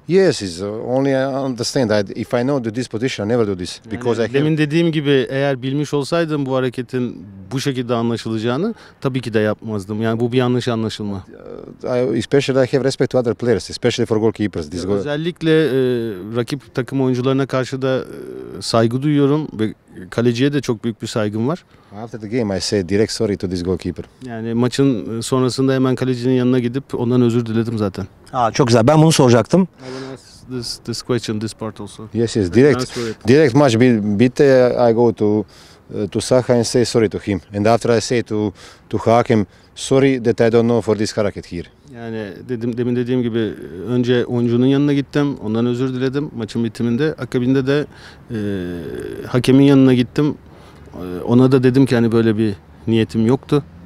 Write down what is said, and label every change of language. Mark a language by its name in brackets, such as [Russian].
[English] Yes, is only I understand that if I know the disposition, I never do this because [Turkish] yani, I. Demin dediğim gibi, eğer bilmiş olsaydım bu hareketin bu şekilde anlaşılacağını, tabii ki de yapmazdım. Yani bu bir yanlış anlaşılma. [English] Especially I have respect to other players, especially for goalkeepers. This goal. [Turkish] Özellikle rakip takım oyuncularına karşı da saygı duyuyorum ve kaleciye de çok büyük bir saygım var. [English] After the game, I say direct sorry to this goalkeeper. [Turkish] Yani maçın sonrasında hemen kalecinin yanına gidip ondan özür diledim zaten. Çok güzel. Ben bunu soracaktım. [English] This question, this part also. Yes. Direct [Turkish] maç bitti. [English] I go to to Saha and say sorry to him. And after I say to Hakim, sorry that I don't know for this hareket here. [Turkish] Yani demin dediğim gibi önce oyuncunun yanına gittim, ondan özür diledim maçın bitiminde. Akabinde de hakemin yanına gittim. Ona da dedim ki hani böyle bir niyetim yoktu.